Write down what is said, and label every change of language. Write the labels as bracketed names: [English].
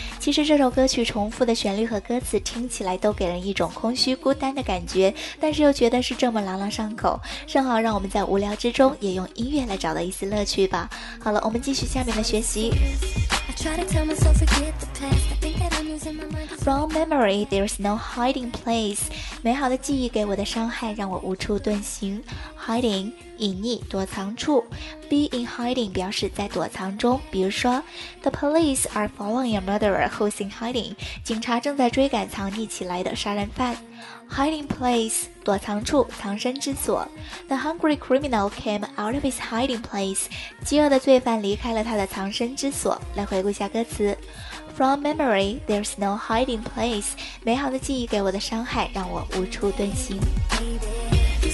[Chinese] 其实这首歌曲重复的旋律和歌词听起来都给人一种空虚孤单的感觉，但是又觉得是这么朗朗上口，正好让我们在无聊之中也用音乐来找到一丝乐趣吧。好了，我们继续下面的学习。 [English] From memory, there's no hiding place. [Chinese] 美好的记忆给我的伤害让我无处遁形。 Hiding, 隐匿、躲藏处。Be in hiding 表示在躲藏中。比如说 [English] The police are following a murderer who's in hiding. [Chinese] 警察正在追赶藏匿起来的杀人犯。 Hiding place, 躲藏处、藏身之所。 [English] The hungry criminal came out of his hiding place. [Chinese] 饥饿的罪犯离开了他的藏身之所。来回顾一下歌词。 [English] From memory, there's no hiding place. [Chinese] 美好的记忆给我的伤害让我无处遁形。